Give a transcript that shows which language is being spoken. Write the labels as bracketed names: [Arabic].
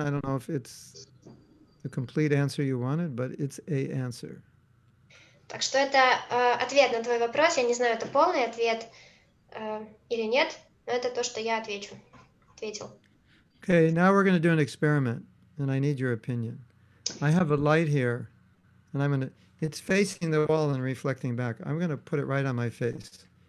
[English] I don't know if it's the complete answer you wanted, but it's a answer. [Russian] Так что это ответ на твой вопрос. Я не знаю, это полный ответ или нет, но это то, что я ответил. [English] Okay, now we're going to do an experiment, and I need your opinion. I have a light here, and it's facing the wall and reflecting back. I'm going to put it right on my face.